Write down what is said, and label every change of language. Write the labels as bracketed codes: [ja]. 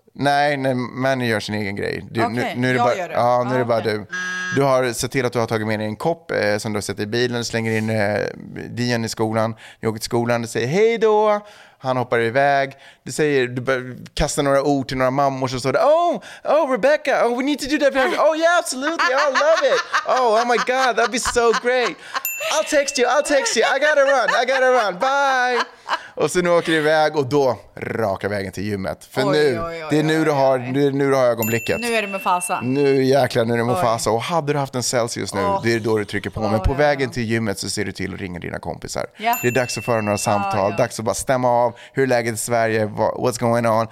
[sv] Nej, men gör sin egen grej. Nu är det bara du. Du har sett till att du har tagit med dig en kopp som du har sett i bilen. Du slänger in Dian i skolan. Ni åker till skolan och säger hej då. Han hoppar iväg. Du säger, du kastar några ord till några mammor som står där. [en] Oh, Rebecca, oh, we need to do that for her. Oh yeah, absolutely, I love it. Oh my God, that'd be so great. I'll text you, I gotta run, bye. [sv] Och sen åker du iväg och då raka vägen till gymmet. För nu har du ögonblicket. Nu är det med fasa. Nu är det med fasa. Och hade du haft en Celsius nu, det är då du trycker på. Men på vägen till gymmet så ser du till att ringa dina kompisar. [en] Yeah. [sv] Det är dags att föra några samtal. Dags att bara stämma av. Hur är läget i Sverige? [en] What's going on?